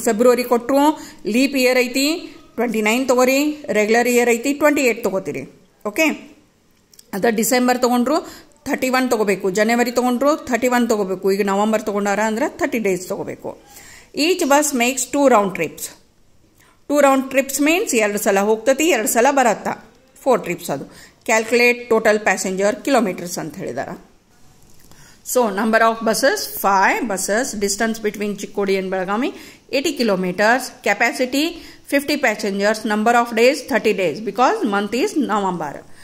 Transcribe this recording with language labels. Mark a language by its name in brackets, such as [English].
[Kannada] February ಕೊಟ್ಟರು leap year ಐತಿ 29 ತೊಗೋರಿ, ರೆಗ್ಯುಲರ್ ಇಯರ್ ಐತಿ 28 ತೊಗೋತೀರಿ. ಓಕೆ, ಅದ ಡಿಸೆಂಬರ್ ತೊಗೊಂಡ್ರು 31 ತೊಗೋಬೇಕು, ಜನವರಿ ತೊಗೊಂಡ್ರು 31 ತೊಗೋಬೇಕು, ಈಗ ನವಂಬರ್ ತೊಗೊಂಡಾರ ಅಂದ್ರೆ 30 days ತೊಗೋಬೇಕು. [English] Each bus makes 2 round trips. [Kannada] 2 round trips means 2 times ಹೋಗ್ತೈತಿ, 2 times ಬರತ್ತೆ. 4 trips ಅದು. [English] calculate total passenger kilometers [Kannada] ಅಂತ ಹೇಳಿದಾರೆ. [English] So number of buses 5 buses, distance between Chikkodi and Belagavi 80 kilometers, capacity 50 passengers, number of days 30 days because month is November.